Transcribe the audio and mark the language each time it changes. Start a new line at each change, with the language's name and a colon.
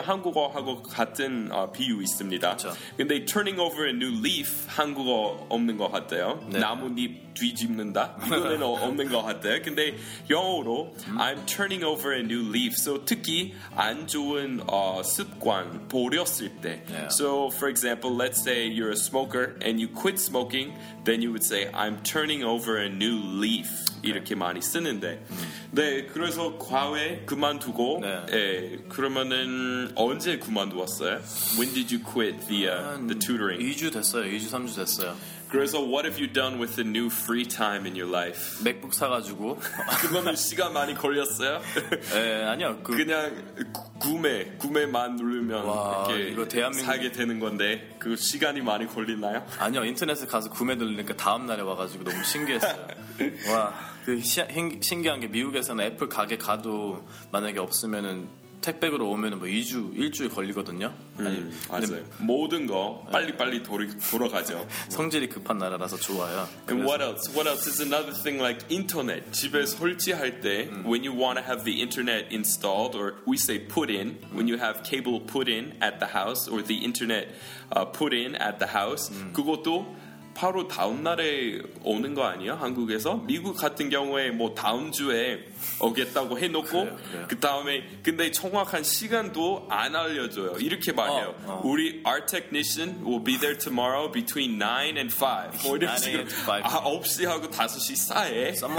Korean: 한국어하고 같은 비유 있습니다. 그렇죠. 근데
English: turning over a new leaf
Korean: 한국어 없는 것 같아요. 네. 나뭇잎 뒤집는다 이거는 없는 것 같아요. 근데 영어로
English: I'm turning over a new leaf.
Korean: So 특히 안 좋은 습관 버렸을 때.
English: Yeah. So for example, let's say you're a smoker and you quit smoking, then you would say I'm turning over a new leaf.
Korean: Okay. 이렇게 많이 쓰는데. 네, 그래서 과외 그만두고. 네. 예, 그러면은 언제 그만두었어요?
English: When did you quit the tutoring?
Korean: 2주 됐어요. 2주 3주 됐어요.
English: Grizzle, what have you done with the new free time in your life?
Korean: 맥북 사가지고. 그거는 시간 많이 걸렸어요? 네, 아니요. 그냥 구매만 누르면 와, 이렇게 이거 대한민국... 사게 되는 건데 그 시간이 많이 걸리나요? 아니요. 인터넷에 가서 구매 누르니까 다음날에 와가지고 너무 신기했어요. 와, 그 신기한 게 미국에서는 애플 가게 가도 만약에 없으면은 택배로 오면은 뭐 2주, 1주일 걸리거든요. 아니, 맞아요. 모든 거 빨리빨리 돌아가죠. 성질이 급한 나라라서 좋아요.
English: And what else? What else is another thing like internet.
Korean: 집에 설치할 때
English: when you want to have the internet installed or we say put in, when you have cable put in at the house or the internet put in at the house.
Korean: 그것도 바로 다음 날에 오는 거 아니에요? 한국에서? 미국 같은 경우에 뭐 다음 주에 오겠다고 해놓고 그 다음에 근데 정확한 시간도 안 알려줘요. 이렇게 말해요.
English: 우리 our technician will be there tomorrow between 9 and 5.
Korean: 뭐 이런 식으로 9시하고 5시 사이에